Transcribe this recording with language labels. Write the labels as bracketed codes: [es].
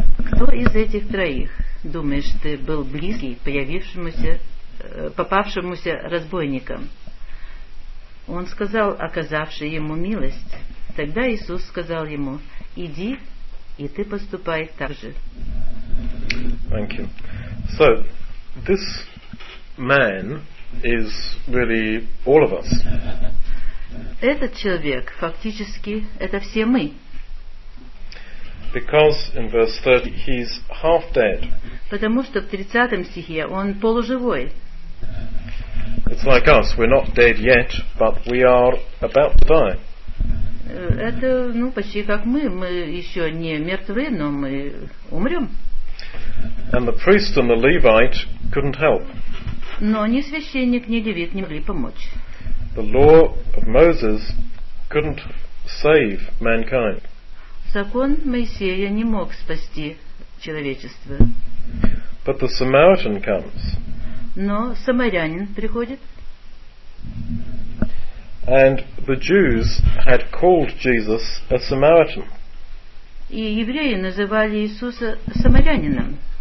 [ru] Кто из этих троих, думаешь ты, был близкий появившемуся, попавшемуся разбойникам? Он сказал, оказавший ему милость. Тогда Иисус сказал ему: «Иди, и ты поступай так же». [en] Thank you. So, this man is really all of us. [ru] Этот человек, фактически, это все мы. [en] Because in verse 30 he's half dead. [ru] Потому что в 30 стихе он полуживой. [en] It's like us. We're not dead yet, but we are about to die. [ru] Это, ну, почти как мы. Мы еще не мертвы, но мы умрем. [en] And the priest and the Levite couldn't help. [ru] Но ни священник, ни левит не могли помочь. [en] The law of Moses couldn't save mankind. [ru] Закон Моисея не мог спасти человечество. [en] But the Samaritan comes. [ru] Но самарянин приходит. [en] And the Jews had called Jesus a Samaritan. И евреи называли Иисуса самарянином.